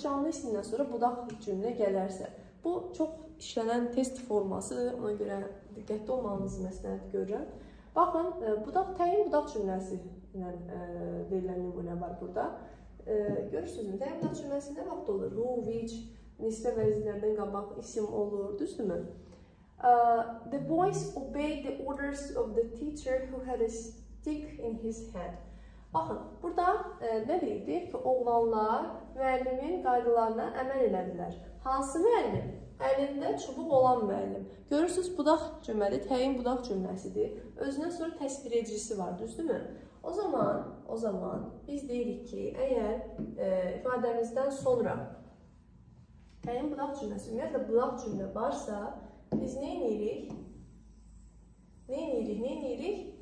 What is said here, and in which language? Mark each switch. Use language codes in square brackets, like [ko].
[az] Canlı ismindən sonra budaq cümlə gələrsə. Bu, çox işlənən test forması. Ona görə diqqətli olmanızı məsləhət görürəm. Baxın, budaq təyin budaq cümləsi ilə verilən nümunə var burada. Görürsünüz mü? Təyin budaq cümləsi nə vaxt olur? Who, which, nisbə vəzinlərdən qabaq isim olur, düzdür mü? [en] The boys obeyed the orders of the teacher who had a stick in his hand. [tr] Bakın burada ne dedi? [az] Oğlanlar müellimin kaydalarına əməl elədilər. Hansı müellim? Əlində çubuq olan müəllim. Görürsünüz, budaq cümlədir, təyin budaq cümləsidir. Özündən sonra təsvir edicisi var, düzdürmü? O zaman biz deyirik ki, əgər ifadəmizdən sonra təyin budaq cümləsi, ümumiyyətlə budaq cümlə varsa, biz nə edirik?